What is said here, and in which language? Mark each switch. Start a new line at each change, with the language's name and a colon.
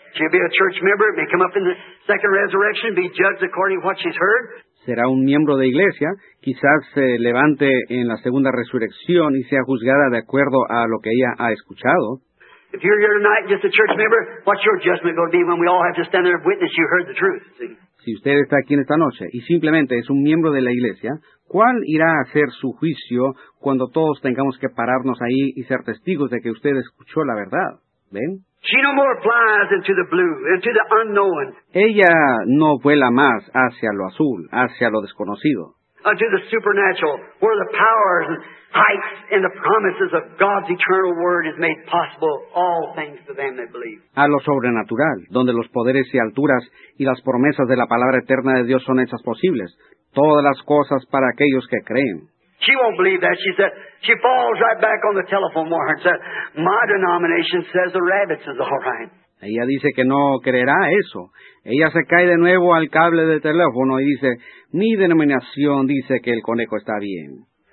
English: She'll be a church member, may come up in the second resurrection, be judged according to what she's heard.
Spanish: Será un miembro de iglesia, quizás se levante en la segunda resurrección y sea juzgada de acuerdo a lo que ella ha escuchado.
English: If you're here tonight just a church member, what's your judgment going to be when we all have to stand there and witness you heard the truth?
Spanish: Si usted está aquí en esta noche y simplemente es un miembro de la iglesia, ¿cuál irá a ser su juicio cuando todos tengamos que pararnos ahí y ser testigos de que usted escuchó la verdad? ¿Ven?
English: She no more flies into the blue, into the unknown.
Spanish: Ella no vuela más hacia lo azul, hacia lo desconocido.
English: Unto the supernatural, where the powers and heights and the promises of God's eternal word is made possible, all things to them that believe.
Spanish: A lo sobrenatural, donde los poderes y alturas y las promesas de la palabra eterna de Dios son hechas posibles, todas las cosas para aquellos que creen.
English: She won't believe that. She said, she falls right back on the telephone wire and said, my denomination says the rabbits is all right.
Spanish: Ella dice que no creerá eso. Ella se cae de nuevo al cable de teléfono y dice, mi denominación dice que el conejo está bien.